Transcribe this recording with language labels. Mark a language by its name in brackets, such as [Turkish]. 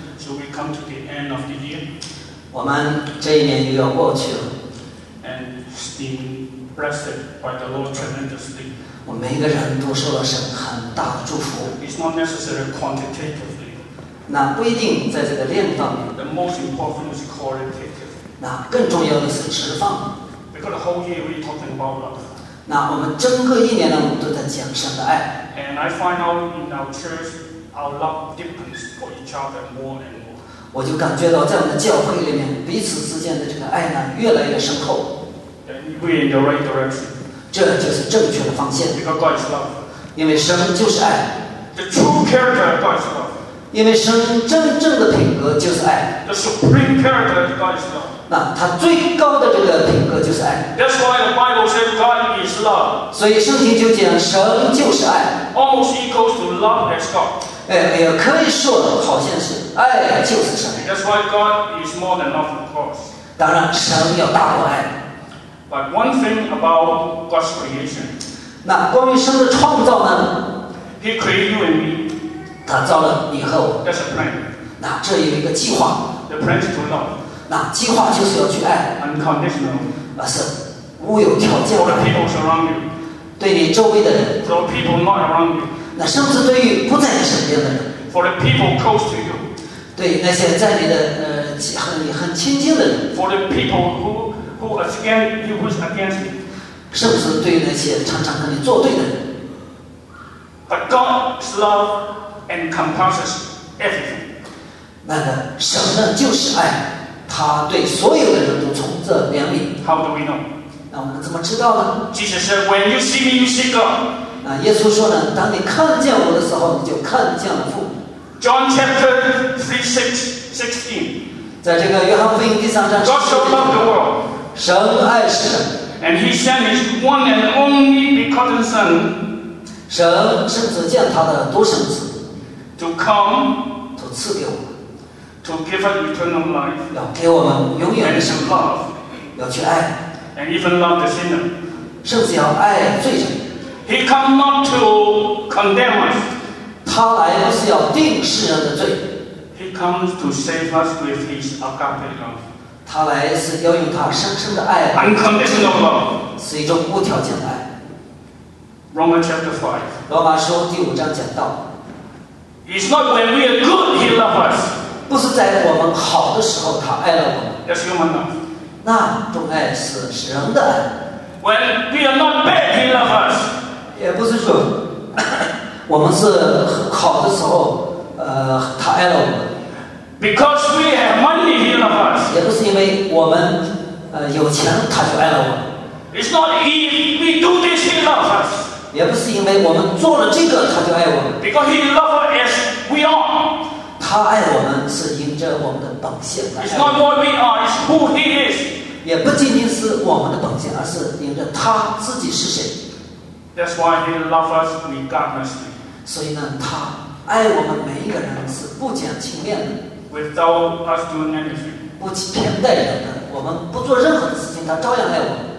[English] So we come to the end of the year. [Chinese] 我们这一年又要过去了。 [English] And being blessed by the Lord tremendously. [Chinese] 我们每一个人都受了神很大的祝福。 [English] It's not necessary quantitatively. [Chinese] 那不一定在这个量上面。 [English] The most important is qualitative. [Chinese] 那更重要的是释放。 [English] Because the whole year we're talking about love. [Chinese] 那我们整个一年呢，我们都在讲神的爱。 [English] And I find out in our church, our love deepens for each other more and more. [Chinese] 我就感觉到在我们的教会里面，彼此之间的这个爱呢，越来越深厚。 [English] And we're in the right direction. [Chinese] 这就是正确的方向。 [English] Because God is love. [Chinese] 因为神就是爱。 [English] The true character of God is love. [Chinese] 因为神真正的品格就是爱。 [English] The supreme character of God is love. [Chinese] 那他最高的这个品格就是爱。 [English] That's why the Bible says God is love. [Chinese] 所以圣经就讲神就是爱。 [English] Almost equals to love as God. [Chinese] 哎，也可以说好像是爱就是神。 [English] That's why God is more than love, of course. [Chinese] 当然，神要大过爱。 [English] But one thing about God's creation. [Chinese] 那关于神的创造呢 [English] ？He created you and me. [Chinese] 他造了你和我。 [English] That's a plan. [Chinese] 那这有一个计划。 [English] The plan is to love. [Chinese] 那计划就是要去爱 [English] unconditional [Chinese] 那是无有条件 [English] for the people surround you [Chinese] 对你周围的人 [English] for the people not around you [Chinese] 那甚至对于不在你身边的人 [English] for the people close to you [Chinese] 对那些在你的很亲近的人 [English] for the people who against you who is against you [Chinese] 甚至对于那些常常和你作对的人 [English] but God's love encompasses everything [Chinese] 那个神呢就是爱他对所有的人都充着怜悯。 [English] How do we know? [Chinese] 那我们怎么知道呢 [English] ？Jesus said, "When you see me, you see God." [Chinese] 那耶稣说呢，当你看见我的时候，你就看见了父。 [English] John chapter 3:16. [Chinese] 在这个约翰福音第三章。 [English] God so loved the world. [Chinese] 神爱世人。 [English] And He sent His one and only begotten Son. [Chinese] 神甚至见他的独生子。 [English] To come. [Chinese] 都赐给我。 [English] To give us eternal life, [Chinese] 要给我们永远的生命，要去爱 [English] ，and even love the sinner, [Chinese] 甚至要爱罪人。 [English] He come not to condemn us, [Chinese] 他来不是要定世人的罪。 [English] He comes to save us with His agape love, [Chinese] 他来是要用他深深的爱 [English] ，unconditional love, [Chinese] 是一种无条件的爱。 [English] Romans chapter 5, [Chinese] 罗马书第五章讲道。 [English] It's not when we are good, He loves us. [Chinese] 不是在我们好的时候他爱了我们 [English] That's human love [Chinese] 那种爱是人的爱 [English] When we are not bad he loves us [Chinese] 也不是说我们是好的时候他爱了我们 [English] Because we have money he loves us [Chinese] 也不是因为我们有钱他就爱了我们 [English] It's not if we do this he loves us [Chinese] 也不是因为我们做了这个他就爱我们 [English] Because he loves us as we are [Chinese] 他爱我们是因着我们的本性来爱。 [English] It's not what we are, it's who He is. [Chinese] 也不仅仅是我们的本性，而是因着他自己是谁。 [English] That's why He loves us regardless. [Chinese] 所以呢，他爱我们每一个人是不讲情面的。 [English] Without us doing anything. [Chinese] 不偏待人的，我们不做任何的事情，他照样爱我们。